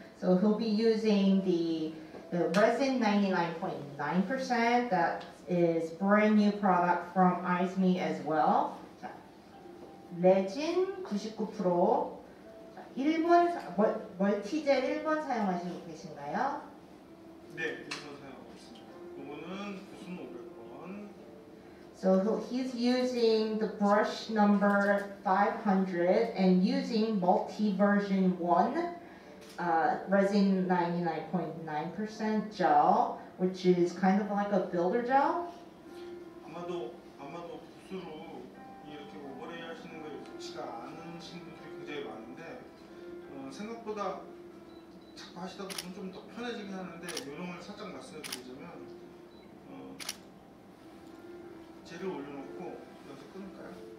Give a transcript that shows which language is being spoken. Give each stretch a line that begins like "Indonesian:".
English: So he'll be using the resin 99.9% that is brand new product from iSme as well.
Korean: 레진 99% 1번 멀티젤 1번 사용하시고 계신가요? 네, 1번 사용하고 있습니다. 이거는 무슨 500번
English: So he's using the brush number 500 and using multi version 1 resin 99.9% gel which is kind of like a builder gel
Korean: 아마도 붓으로 생각보다 자꾸 하시다 보면 좀 더 편해지긴 하는데 요령을 살짝 말씀드리자면 젤을 올려놓고 여기서 끊을까요?